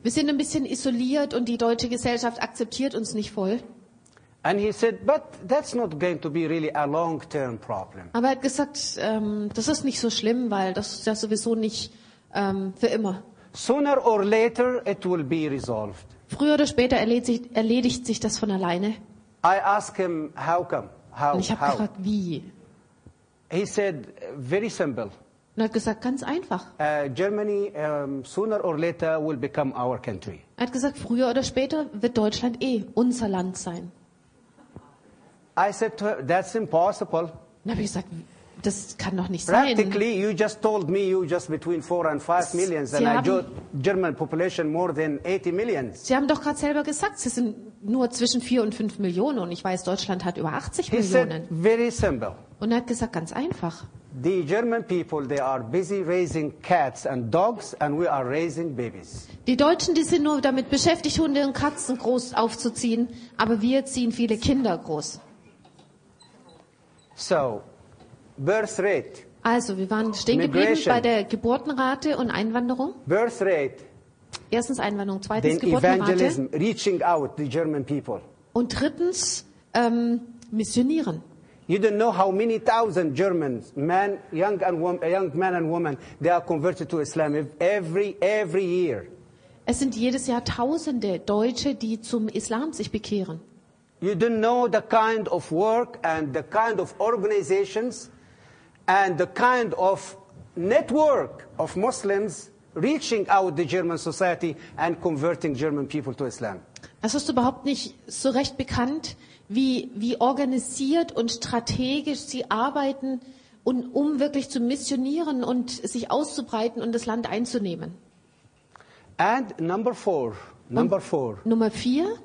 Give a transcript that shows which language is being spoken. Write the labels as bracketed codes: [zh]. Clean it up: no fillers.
[de] Wir sind ein bisschen isoliert und die deutsche Gesellschaft akzeptiert uns nicht voll. [en] And he said, but that's not going to be really a long-term problem. [de] Aber er hat gesagt, das ist nicht so schlimm, weil das ist ja sowieso nicht für immer. [en] Sooner or later it will be resolved. [de] Früher oder später erledigt sich das von alleine. [en] I asked him how come. How, [de] und ich habe gefragt, wie. [en] He said, very simple. [de] Und er hat gesagt, ganz einfach. [en] Germany, sooner or later will become our country. [de] Er hat gesagt, früher oder später wird Deutschland eh unser Land sein. [en] I said to her, that's impossible. [de] Dann habe ich gesagt, das kann doch nicht [en] practically, [de] sein. [en] Practically, you just told me you just between 4 and 5 million, and [de] haben, [en] German population more than 80 million. [de] Sie haben doch gerade selber gesagt, Sie sind nur zwischen 4 und 5 Millionen, und ich weiß, Deutschland hat über 80 [en] he [de] Millionen. [en] Said, very simple. [de] Und er hat gesagt, ganz einfach. [en] The German people, they are busy raising cats and dogs, and we are raising babies. [de] Die Deutschen, die sind nur damit beschäftigt, Hunde und Katzen groß aufzuziehen, aber wir ziehen viele Kinder groß. [en] So. Birth rate. [de] Also, wir waren stehen geblieben bei der Geburtenrate und Einwanderung. [en] Birth rate. [de] Erstens Einwanderung, zweitens [en] then [de] Geburtenrate. [en] Evangelism, reaching out the German people. [de] Und drittens missionieren. [en] You don't know how many thousand Germans, men, young men and women, they are converted to Islam every year. [de] Es sind jedes Jahr Tausende Deutsche, die zum Islam sich bekehren. [en] You don't know the kind of work and the kind of organizations and the kind of network of Muslims reaching out the German society and converting German people to Islam. [de] Das ist überhaupt nicht so recht bekannt, wie organisiert und strategisch sie arbeiten, um wirklich zu missionieren und sich auszubreiten und das Land einzunehmen. [en] And number four. Number four. [de] Nummer vier.